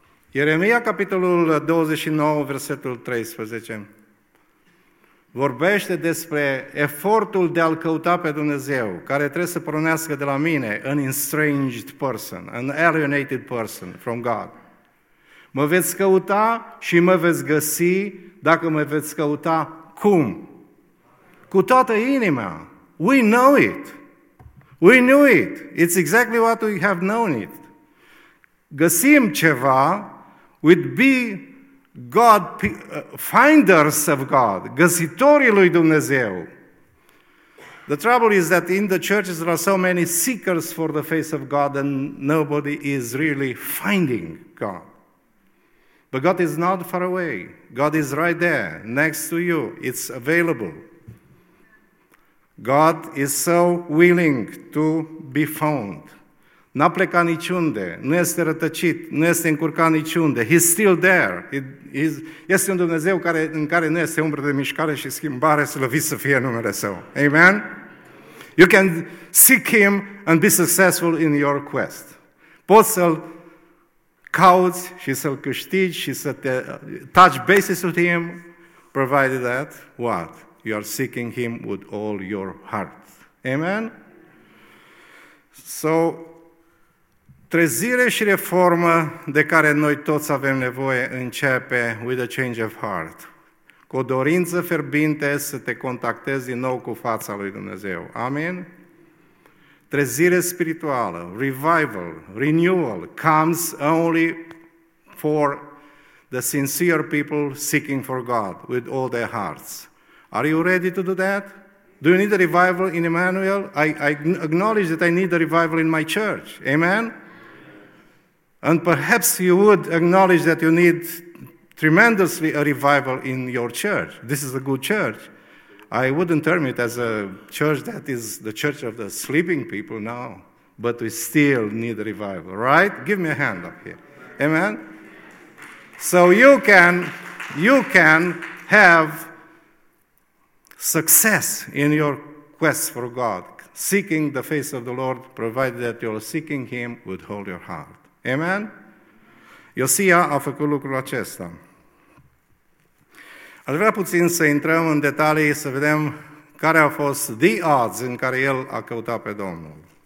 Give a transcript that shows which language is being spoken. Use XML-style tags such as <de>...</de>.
<ro>Ieremia, capitolul 29, versetul 13, vorbește despre efortul de a-L căuta pe Dumnezeu, care trebuie să pornească de la mine,</ro> <en>an estranged person, an alienated person from God.</en> <ro>Mă veți căuta și mă veți găsi dacă mă veți căuta cum? Cu toată inima.</ro> <en>We know it. We knew it. It's exactly what we have known it.</en> <ro>Găsim ceva,</ro> <en>we'd be God, finders of God,</en> <ro>găsitorii lui Dumnezeu.</ro> <en>The trouble is that in the churches there are so many seekers for the face of God and nobody is really finding God. But God is not far away. God is right there, next to you. It's available. God is so willing to be found.</en> <ro>N-a plecat niciunde, nu este rătăcit, nu este încurcat niciunde.</ro> <en>He's still there.</en> <ro>Este un Dumnezeu care, în care nu este umbră de mișcare și schimbare, slăvit să fie numele Său.</ro> <en>Amen? You can seek Him and be successful in your quest.</en> <ro>Poți să-L cauți și să-L câștigi și să te</ro> <en>touch bases with Him, provided that, what? You are seeking Him with all your heart. Amen?</en> <ro>So, trezire și reformă de care noi toți avem nevoie începe</ro> <en>with a change of heart.</en> <ro>Cu o dorință ferbinte să te contactezi din nou cu fața lui Dumnezeu.</ro> <en>Amen?</en> <ro>Trezire spirituală,</ro> <en>revival, renewal, comes only for the sincere people seeking for God with all their hearts. Are you ready to do that? Do you need a revival in Emmanuel? I acknowledge that I need a revival in my church. Amen? And perhaps you would acknowledge that you need tremendously a revival in your church. This is a good church. I wouldn't term it as a church that is the church of the sleeping people now, but we still need a revival, right? Give me a hand up here. Amen? So you can have success in your quest for God, seeking the face of the Lord, provided that you're seeking Him with all your heart. Amen?</en> <ro>Iosia a făcut lucrul acesta. Aș vrea puțin să intrăm în detalii, să vedem care au fost</ro> <en>the odds</en> <ro>în care el a căutat pe Domnul.</ro>